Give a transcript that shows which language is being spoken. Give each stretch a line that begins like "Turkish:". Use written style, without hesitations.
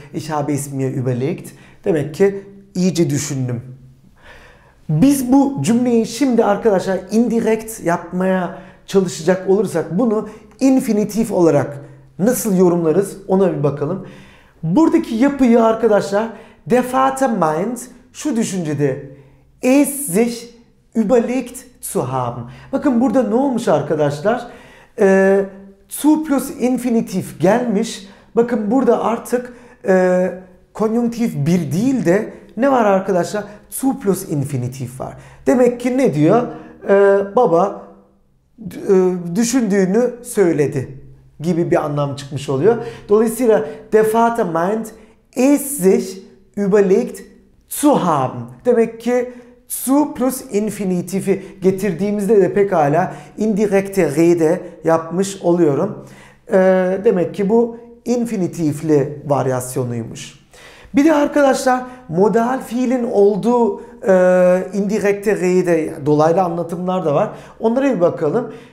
German: Ich habe es mir überlegt
Turkish: demek ki iyice düşündüm. Biz bu cümleyi şimdi arkadaşlar indirekt yapmaya çalışacak olursak bunu infinitif olarak nasıl yorumlarız ona bir bakalım. Buradaki yapıyı arkadaşlar
German: der Vater meint
Turkish: şu düşüncede
German: es sich überlegt zu haben.
Turkish: Bakın burada ne olmuş arkadaşlar? Zu plus infinitif gelmiş. Bakın burada artık konjunktif bir değil de ne var arkadaşlar? Zu plus infinitif var. Demek ki ne diyor? Baba düşündüğünü söyledi gibi bir anlam çıkmış oluyor. Dolayısıyla
German: der Vater meint es sich überlegt zu haben.
Turkish: Demek ki zu plus infinitifi getirdiğimizde de pekala indirekte rede yapmış oluyorum. Demek ki bu infinitifli varyasyonuymuş. Bir de arkadaşlar modal fiilin olduğu indirekte rede dolaylı anlatımlar da var. Onlara bir bakalım.